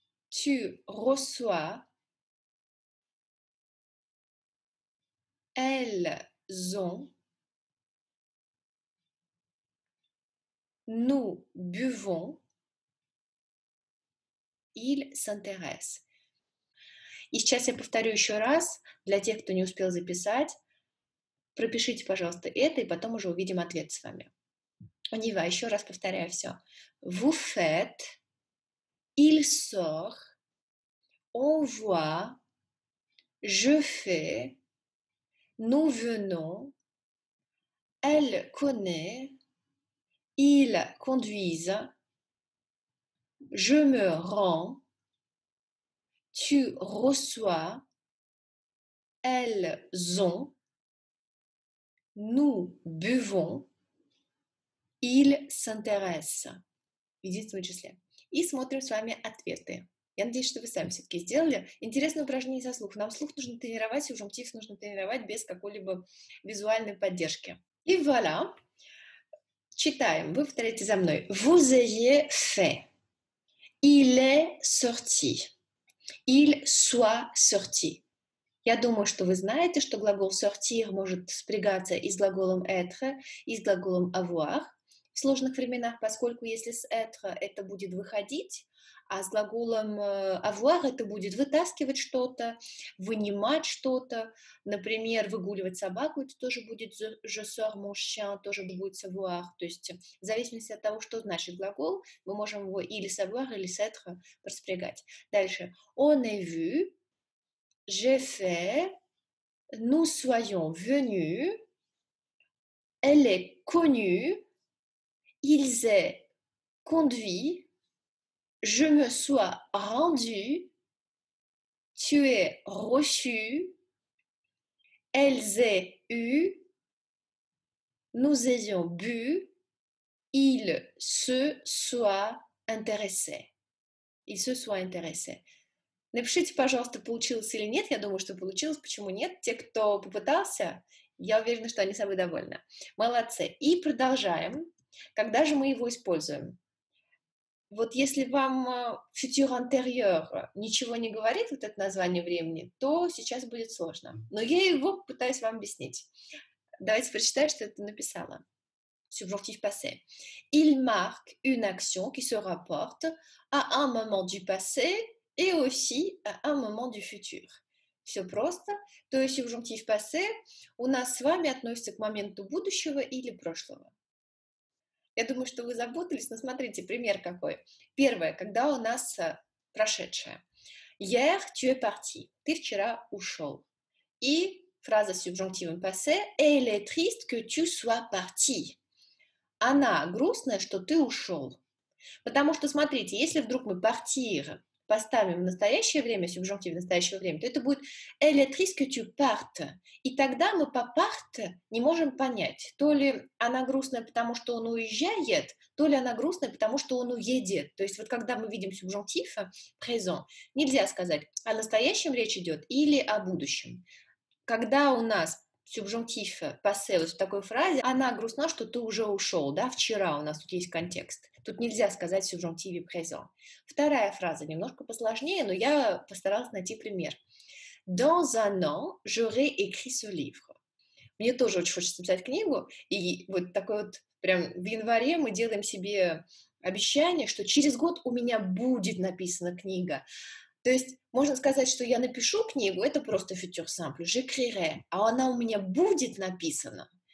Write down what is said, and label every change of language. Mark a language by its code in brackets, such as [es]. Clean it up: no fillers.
[fr] Tu reçois, elles ont, nous buvons, ils s'intéressent. [ru] И сейчас я повторю еще раз, для тех, кто не успел записать, пропишите, пожалуйста, это, и потом уже увидим ответ с вами. [fr] On y va, [ru] еще раз повторяю все. [fr] Vous faites, il sort, on voit, je fais, nous venons, elle connaît, ils conduisent, je me rends, tu reçois, elles ont, nous buvons, ils s'intéressent. [ru] Видите, числе. И смотрим с вами ответы. Я надеюсь, что вы сами все-таки сделали. Интересное упражнение со слух. Нам слух нужно тренировать, и субжунктив нужно тренировать без какой-либо визуальной поддержки. И вуаля. Читаем. Вы повторяете за мной. [fr] Vous avez fait. Il est sorti. Il soit sorti. [ru] Я думаю, что вы знаете, что глагол sortir может спрягаться и с глаголом être, и с глаголом avoir в сложных временах, поскольку если с être это будет выходить, а с глаголом avoir это будет вытаскивать что-то, вынимать что-то. Например, выгуливать собаку, это тоже будет [fr] je sors mon chien, [ru] тоже будет savoir. То есть в зависимости от того, что значит глагол, мы можем его или savoir, или с être распрягать. Дальше. [fr] On a vu, j'ai fait, nous soyons venus, elle est connue, ils aient conduit, je me sois rendu, tu es reçu, elles aient eu, nous ayons bu, ils se soient intéressés. Ils se soient intéressés. [ru] Напишите, пожалуйста, получилось или нет. Я думаю, что получилось. Почему нет? Те, кто попытался, я уверена, что они собой довольны. Молодцы. И продолжаем. Когда же мы его используем? Вот если вам «Futur antérieur» ничего не говорит, вот это название времени, то сейчас будет сложно. Но я его пытаюсь вам объяснить. Давайте прочитаем, что это написала. [fr] Subjonctif passé. Il marque une action qui se rapporte à un moment du passé et aussi à un moment du futur. [ru] Все просто. То есть subjonctif passé у нас с вами относится к моменту будущего или прошлого. Я думаю, что вы запутались, но смотрите, пример какой. Первое, когда у нас прошедшее. [fr] Hier tu es parti. [ru] Ты вчера ушел. И фраза с субжунктивом passé. [fr] Elle est triste que tu sois parti. [ru] Она грустная, что ты ушел. Потому что, смотрите, если вдруг мы partir поставим в настоящее время, субжунктив настоящего времени, то это будет [fr] «Elle est triste que tu partes». [ru] И тогда мы по «part» не можем понять, то ли она грустная, потому что он уезжает, то ли она грустная, потому что он уедет. То есть вот когда мы видим субжунктив «présent», нельзя сказать «о настоящем речь идет» или «о будущем». Когда у нас субжунктив «passé» в такой фразе, «она грустна, что ты уже ушел», да, «вчера» у нас тут есть контекст. Тут нельзя сказать в субжунктиве «présent». Вторая фраза немножко посложнее, но я постаралась найти пример. [fr] «Dans un an, j'aurai écrit ce livre». [ru] Мне тоже очень хочется писать книгу, и вот такой вот прям в январе мы делаем себе обещание, что через год у меня будет написана книга. То есть можно сказать, что я напишу книгу, это просто «futur simple», «j'écrirai», а она у меня будет написана.